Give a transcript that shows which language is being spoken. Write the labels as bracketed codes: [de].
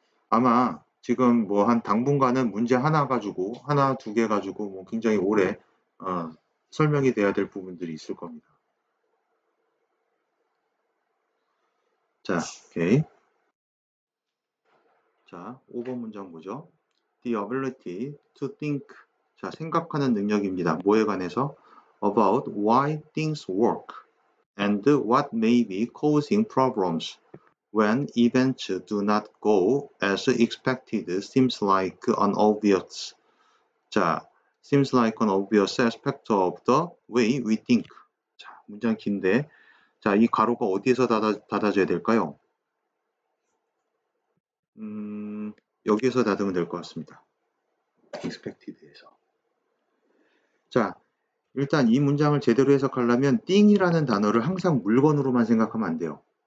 [ko] 아마 지금 뭐한 당분간은 문제 하나 가지고 하나 두개 가지고 뭐 굉장히 오래 설명이 돼야 될 부분들이 있을 겁니다. 자, 오케이. 자, 5번 문장 보죠. [en] the ability to think. [ko] 자, 생각하는 능력입니다. 뭐에 관해서? [en] About why things work and what may be causing problems when events do not go as expected seems like an obvious. 자, seems like an obvious aspect of the way we think. [ko] 자, 문장 긴데. 자, 이 괄호가 어디에서 닫아줘야 될까요? 여기에서 닫으면 될 것 같습니다. expected에서. 자, 일단 이 문장을 제대로 해석하려면 thing이라는 단어를 항상 물건으로만 생각하면 안 돼요.